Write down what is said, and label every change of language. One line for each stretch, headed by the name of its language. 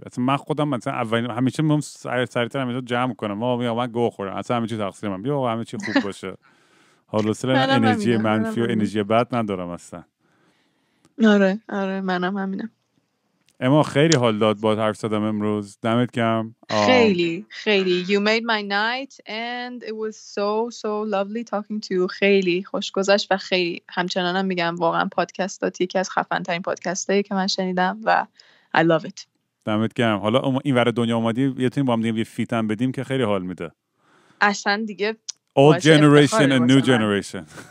Persian: اصلا من خودم مثلا اولین همیشه میام سریعتر همینجا جمع کنم، ما میگم من گوه خورم، اصلا همینجا تقصیر من، بیا همه چی خوب باشه. حالا اصلا انرژی منفی و انرژی بد ندارم اصلا. آره منم همینم. اما خیلی حال داد با حرف زدم امروز، دمت گرم. خیلی خیلی
English: you made my night and it was so lovely talking to you.
Persian: خیلی خوش گذشت و خیلی همچنانم هم میگم واقعا پادکستات یکی از خفن ترین پادکستایی که من شنیدم و
English: I love it.
Persian: دمت گرم. حالا این ور دنیا اومدی یه تیم با هم دیگه فیتم بدیم که خیلی حال میده. اصلا دیگه
English: old generation and new generation.